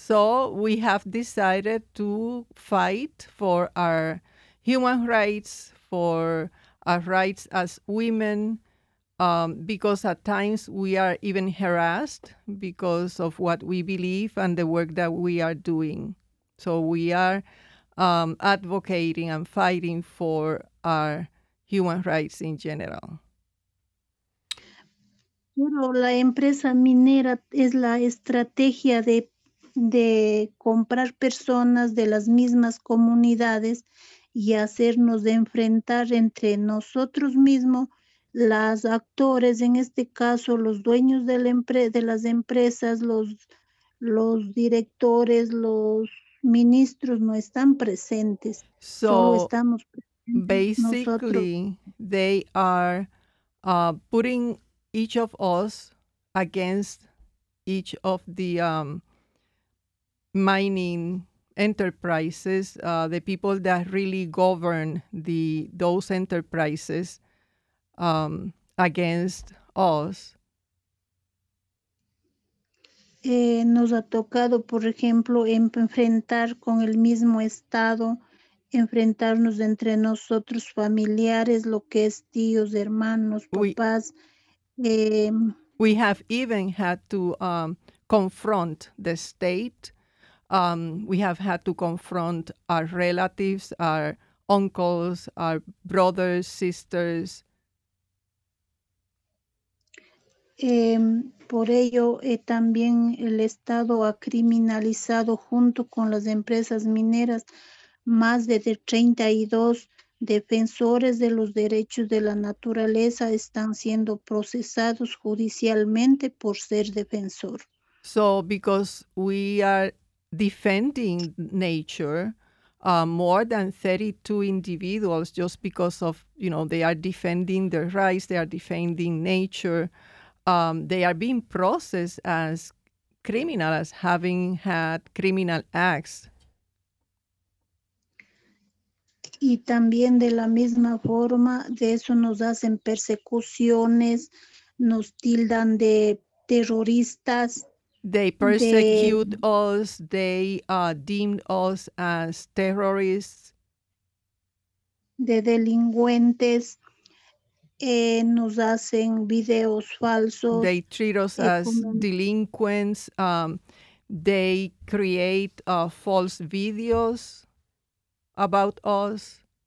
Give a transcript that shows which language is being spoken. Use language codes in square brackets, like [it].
[en] So we have decided to fight for our human rights, for our rights as women, because at times we are even harassed because of what we believe and the work that we are doing. So we are advocating and fighting for our human rights in general. [es] Pero la empresa minera es la estrategia de comprar personas de las mismas comunidades y hacernos de enfrentar entre nosotros mismos, los actores, en este caso los dueños de las empresas, los directores, los ministros no están presentes, [en] so [es] solo estamos presentes [en] basically [es] nosotros. [en] They are putting each of us against each of the mining enterprises, the people that really govern those enterprises, against us. [es] Nos ha tocado, por ejemplo, enfrentar con el mismo Estado, enfrentarnos entre nosotros familiares, lo que es tíos, hermanos, papás. [en] We have even had to confront the state. We have had to confront our relatives, our uncles, our brothers, sisters. [es] Por ello, también el Estado ha criminalizado junto con las empresas mineras más de 32 defensores de los derechos de la naturaleza están siendo procesados judicialmente por ser defensor. [en] So, because we are defending nature, more than 32 individuals, just because of, you know, they are defending their rights, they are defending nature, they are being processed as criminal, as having had criminal acts. [es] Y también de la misma forma, de eso nos hacen persecuciones, nos tildan de terroristas. [en] They persecute us, they deemed us as terrorists. [es] De delincuentes, nos hacen videos falsos. [en] They treat us as delinquents, they create false videos about us.